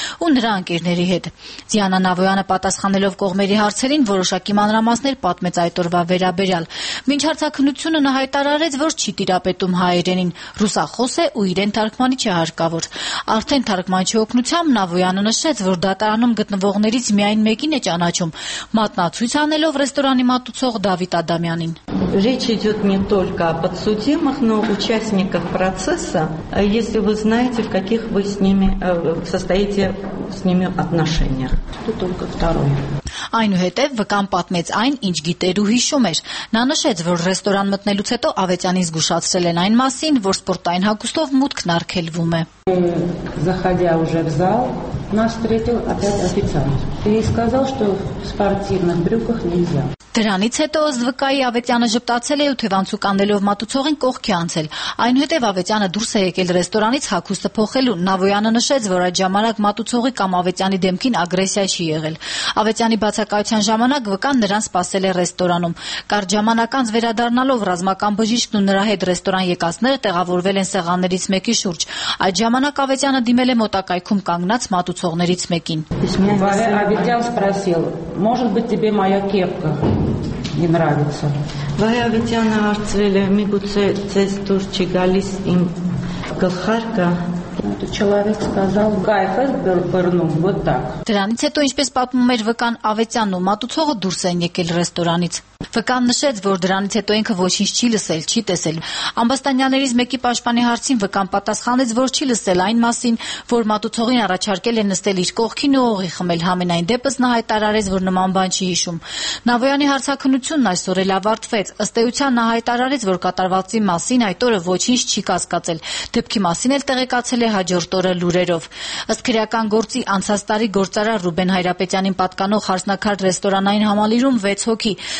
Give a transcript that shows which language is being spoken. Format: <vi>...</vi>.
<hy>ու նրա ընկերների հետ։ Դիանա Նավոյանը, պատասխանելով կողմերի հարցերին, որոշակի մանրամասներ պատմեց այդ օրվա վերաբերյալ։ Մինչ հարցակնությունը նա հայտարարեց, որ չի տիրապետում հայերենին, ռուսախոս է ու իրեն թարգմանիչ է հարկավոր։ Արդեն թարգմանչի օգնությամբ Նավոյանը նշեց, որ դատարանում գտնվողներից միայն մեկին է ճանաչում՝ մատնացույց անելով ռեստորանի մատուցող Դավիթ Ադամյանին։</hy> <ru>Речь идет не только о подсудимых, но участников процесса, если вы знаете, в каких вы с ними состоите с ними отношениях. Это только второе.</ru> <hy>Այնուհետև վկան պատմեց այն, ինչ գիտեր ու հիշում էր։ Նա նշեց, որ ռեստորան մտնելուց հետո Ավետյանին զգուշացրել են այն մասին, որ սպորտային հագուստով մուտքն արգելվում է։</hy> <ru>Заходя уже в зал, нас встретил опять официант. И сказал, что в спортивных брюках нельзя.</ru> <hy>Դրանից հետո ըստ վկայի Ավետյանը ժպտացել է ու թևանցուկանելով մատուցողին կողքի անցել։ Այնուհետև Ավետյանը դուրս է եկել ռեստորանից հագուստը փոխելու։ Նավոյանը նշեց, որ այդ ժամանակ մատուցողի կամ Ավետյանի դեմքին ագրեսիա չի եղել։ Ավետյանի բացակայության ժամանակ վկան նրան սպասել է ռեստորանում։ Կարճ ժամանակ անց վերադառնալով ռազմական բժիշկն ու նրա հետ ռեստորան եկածները տեղավորվել են սեղաններից մեկի շուրջ։ Այդ ժամանակ Ավետյանը դիմել է մոտակայքում կանգնած մատուցողներից մեկին։</hy> <ru>Ավետյան спросил: «Может быть, тебе моя кепка не нравится?»</ru> <hy>Ավետյանը հարցրել է, «Միգուցե ձեզ դուր չի գալիս իմ գլխարկը»։ Դրանից հետո, ինչպես պատմում էր վկան, Ավետյանն ու մատուցողը դուրս են եկել ռեստորանից։ Վկան նշեց, որ դրանից հետո ինքը ոչինչ չի լսել, չի տեսել։ Անբստանյաներից մեկի պաշտպանի հարցին վկան պատասխանեց, որ չի լսել այն մասին, որ մատուցողին առաջարկել է նստել իր կողքին ու օղի խմել, համենայն դեպս նա հայտարարեց, որ նման բան չի հիշում։ Նավոյանի հարցակնությունն այսօր էլ ավարտվեց։ Ըստ էության նա հայտարարեց, որ կատարվածի մասին այդ օրը ոչինչ չի կասկածել, դեպքի մասին էլ տեղեկացել է հաջորդ օրը լուրերով։ Ըստ քրեական գործի անցած տարի գործարար Ռուբեն Հայրապետյանին պատկանող հարսնակար ռեստորանային համալիրում 6 հոգի</hy>